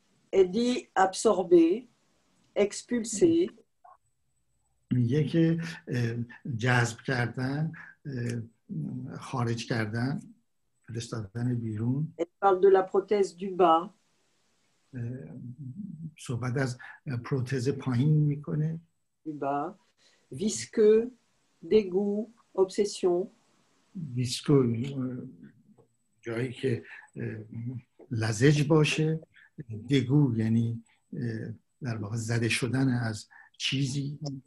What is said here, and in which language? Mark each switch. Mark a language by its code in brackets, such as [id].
[fr] Elle dit absorber, expulser. [fa] میگه که جذب کردن، خارج کردن. [fr] Elle parle de la prothèse du bas. [fa] صحبت از پروتز پایین میکنه. [fr] Du bas, visqueux, dégoût, obsession. [fa] Visqueux, جایی که لزج باشه. Dégoût, یعنی در واقع زده شدن از چیزی.